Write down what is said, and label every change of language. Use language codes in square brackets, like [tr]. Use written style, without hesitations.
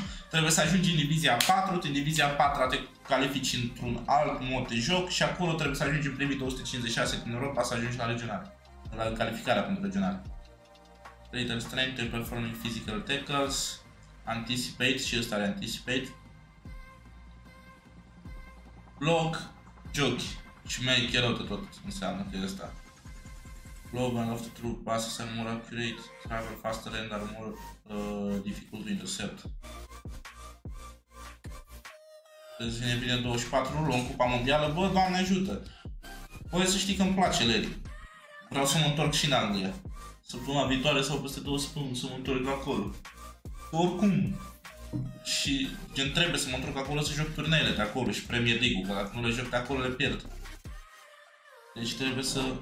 [ro] Trebuie să ajungi în divizia 4, în divizia 4 te califici într-un alt mod de joc și acolo trebuie să ajungi în primii 256 din Europa să ajungi la regional, la calificarea pentru regional. [en] Reader strength, performing physical tackles, anticipate [ro] și ăsta are anticipate. Block, jockey și make rău de tot înseamnă că e ăsta. [en] Block and loft through passes are more accurate, travel faster and are more difficult to intercept. [ro] Îți vine bine 24, luăm cupa mondială, bă, Doamne ajută! Voi să știi că îmi place, Larry. Vreau să mă întorc și în Anglia. Săptămâna viitoare sau peste 2 săptămâni să mă întorc acolo. Oricum. Și gen trebuie să mă întorc acolo să joc turneile de acolo și Premier League-ul, că dacă nu le joc de acolo, le pierd. Deci trebuie să...